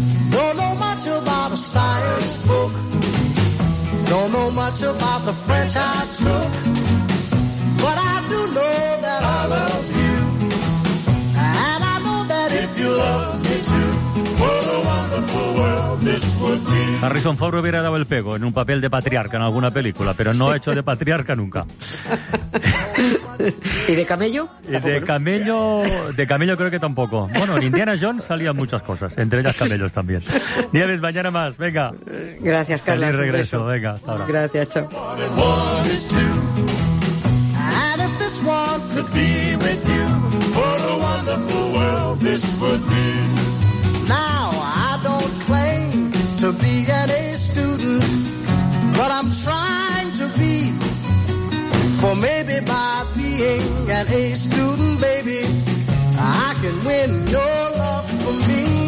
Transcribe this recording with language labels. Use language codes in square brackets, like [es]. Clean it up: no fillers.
[en] Don't know much about a science book. Don't know much about the French I took. But I do know that I love you. And I know that if you love me too, what a wonderful world this would be. [es] Harrison Ford hubiera dado el pego en un papel de patriarca en alguna película, pero no ha hecho de patriarca nunca. ¿Y de camello? De camello creo que tampoco. Bueno, en Indiana Jones salían muchas cosas, entre ellas camellos también. Nieves, mañana más, venga. Gracias, Carlos. Feliz regreso, venga, hasta ahora. Gracias, chao. [en] And if this one could be with you, what a wonderful world this would be. Now I don't claim to be an A student, but I'm trying to be, for maybe by being an A student, baby, I can win your love for me.